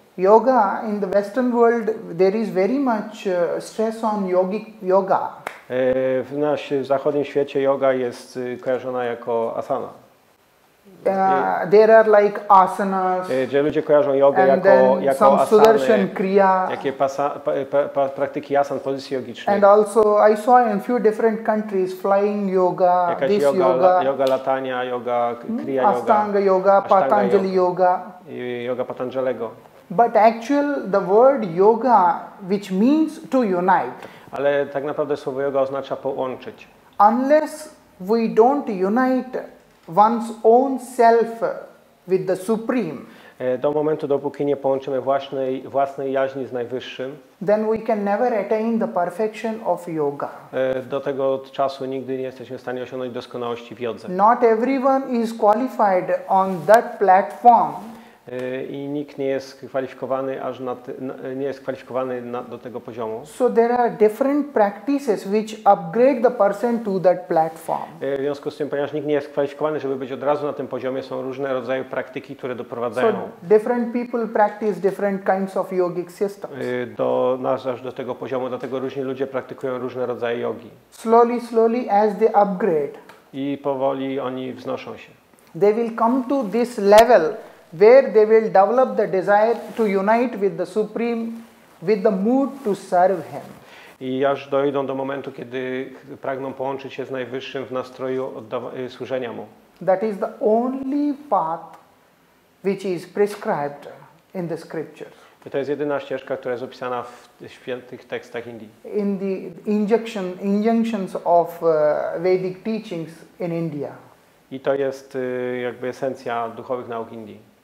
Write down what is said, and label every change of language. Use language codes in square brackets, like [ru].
[en] Yoga in the Western world, there is very much stress on yogic yoga. [pl] W naszym zachodnim świecie yoga jest kojarzona jako asana. [en] There are like asanas. [pl] Gdzie ludzie kojarzą jogę jako [en] some Sudarshan kriya. [pl] Jakie praktyki asan, pozycji jogicznej. [en] And also I saw in few different countries flying yoga, [pl] jakaś [en] this [pl] yoga. Yoga latania, yoga kriya yoga. [en] Ashtanga yoga, Patanjali yoga. [pl] Yoga Patanjalego. [en] But actual the word yoga, which means to unite. [pl] Ale tak naprawdę słowo yoga oznacza połączyć. [en] Unless we don't unite one's own self with the supreme. [pl] Do momentu, dopóki nie połączymy własnej jaźni z najwyższym. [en] Then we can never attain the perfection of yoga. [pl] Do tego czasu nigdy nie jesteśmy w stanie osiągnąć doskonałości w jodze. [en] Not everyone is qualified on that platform. [pl] I nikt nie jest kwalifikowany aż nie jest kwalifikowany do tego poziomu. [en] So there are different practices which upgrade the person to that platform. [pl] W związku z tym, ponieważ nikt nie jest kwalifikowany, żeby być od razu na tym poziomie, są różne rodzaje praktyki, które doprowadzają. [en] So different people practice different kinds of yogic systems. [pl] Do tego poziomu, dlatego różni ludzie praktykują różne rodzaje jogi. [en] Slowly as they upgrade. [pl] I powoli oni wznoszą się. [en] They will come to this level where they will develop the desire to unite with the Supreme, with the mood to serve Him. [pl] I aż dojdą do momentu, kiedy pragną połączyć się z Najwyższym w nastroju służenia Mu. [en] That is the only path which is prescribed in the scriptures. [pl] I to jest jedyna ścieżka, która jest opisana w świętych tekstach Indii. [en] In the injunctions of Vedic teachings in India. [pl] I to jest jakby esencja duchowych nauk Indii.